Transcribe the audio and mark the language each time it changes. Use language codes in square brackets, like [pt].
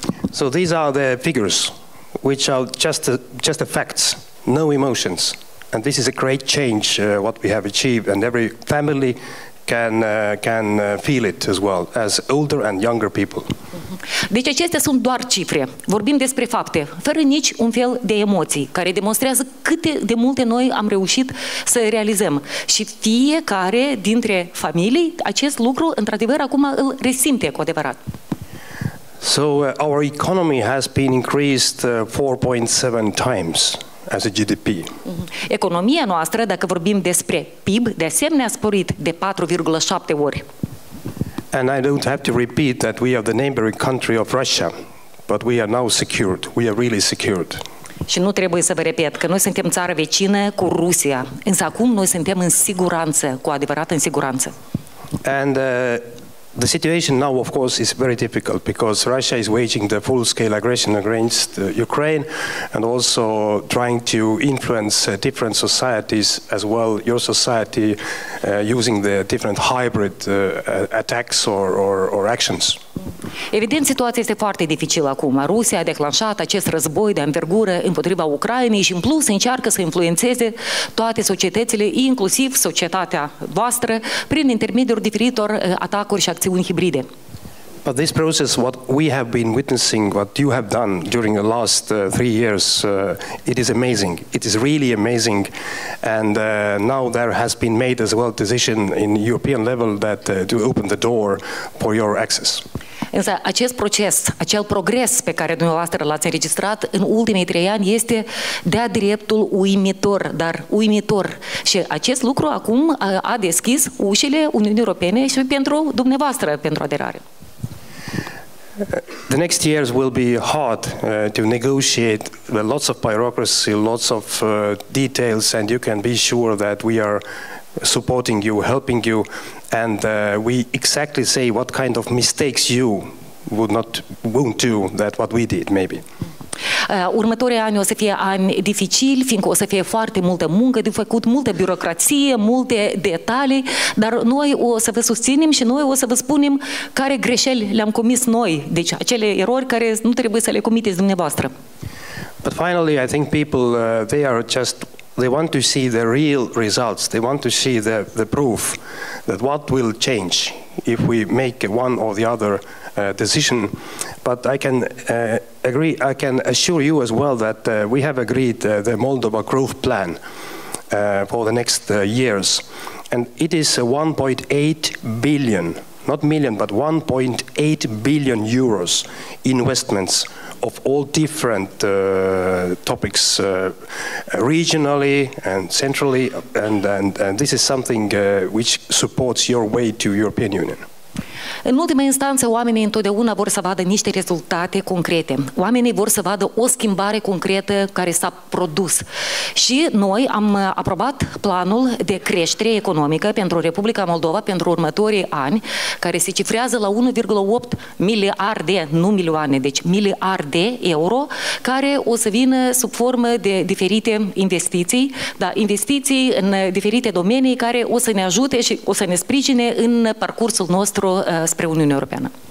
[en] So these are the figures, which are just facts, no emotions. And this is a great change what we have achieved, and every family can feel it as well, as older and younger people. [ro] Deci acestea sunt doar cifre. Vorbim despre fapte, fără nici un fel de emoții, care demonstrează cât de multe noi am reușit să realizăm. Și fiecare dintre familii acest lucru, într-adevăr, acum îl resimte cu adevărat. [en] So our economy has been increased 4.7 times as a GDP. [ro] Economia noastră, dacă vorbim despre PIB, de asemenea a sporit de 4,7 ori. [en] And I don't have to repeat that we are the neighboring country of Russia, but we are now secured. We are really secured. [ro] Și nu trebuie să vă repet că noi suntem țară vecină cu Rusia, însă acum noi suntem în siguranță, cu adevărat în siguranță. [en] And the situation now, of course, is very difficult because Russia is waging the full-scale aggression against Ukraine and also trying to influence different societies as well, your society, using the different hybrid attacks or actions. [ro] Evident, situația este foarte dificilă acum. Rusia a declanșat acest război de anvergură împotriva Ucrainei și în plus încearcă să influențeze toate societățile, inclusiv societatea voastră, prin intermediul diferitor atacuri și acțiuni hibride. [en] But this process, what we have been witnessing, what you have done during the last 3 years, it is amazing. It is really amazing. And now there has been made as well decision in European level that to open the door for your access. [ro] Însă acest proces, acel progres pe care dumneavoastră l-ați înregistrat în ultimii 3 ani este de-a dreptul uimitor, dar uimitor. Și acest lucru acum a deschis ușile Uniunii Europene și pentru dumneavoastră, pentru aderare. [en] The next years will be hard to negotiate with lots of bureaucracy, lots of details, and you can be sure that we are supporting you, helping you, and we exactly say what kind of mistakes you won't do that what we did, maybe. [ro] Următorii ani o să fie ani dificili, fiindcă o să fie foarte multă muncă de făcut, multă birocrație, multe detalii, dar noi o să vă susținem și noi o să vă spunem care greșeli le-am comis noi, deci acele erori care nu trebuie să le comiteți dumneavoastră. [en] But finally, I think people, they want to see the real results, they want to see the proof that what will change if we make one or the other decision. But I can agree, I can assure you as well that we have agreed the Moldova growth plan for the next years, and it is 1.8 billion, not million, but 1.8 billion euros investments of all different topics, regionally and centrally, and this is something which supports your way to European Union. [ro] În ultima instanță, oamenii întotdeauna vor să vadă niște rezultate concrete. Oamenii vor să vadă o schimbare concretă care s-a produs. Și noi am aprobat planul de creștere economică pentru Republica Moldova pentru următorii ani, care se cifrează la 1,8 miliarde, nu milioane, deci miliarde euro, care o să vină sub formă de diferite investiții, dar investiții în diferite domenii care o să ne ajute și o să ne sprijine în parcursul nostru spre Uniunea Europeană.